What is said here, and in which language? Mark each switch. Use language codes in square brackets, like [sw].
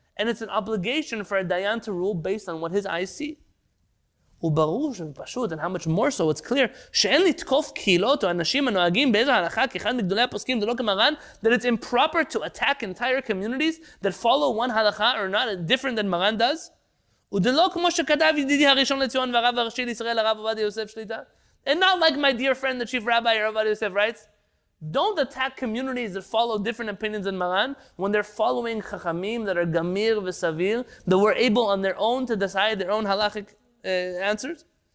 [en] And it's an obligation for a dayan to rule based on what his eyes see. [he] וברוש ופשוט, [en] and how much more so, it's clear, [he] שאין לתקוף קהילות או אנשים הנוהגים באיזו הלכה, כאחד מגדולי הפוסקים, זה לא כמרן, [en] that it's improper to attack entire communities that follow one הלכה or not different than מרן does. [he] ודלא כמו שכתב ידידי הראשון לציון והרב הראשי לישראל, הרב עובדיה יוסף שליטה. [en] And not like my dear friend, the chief rabbi, הרב עובדיה יוסף writes, don't attack communities that follow different opinions than Maran when they're following חכמים that are גמיר וסביר, that were able on their own to decide their own halachic answers.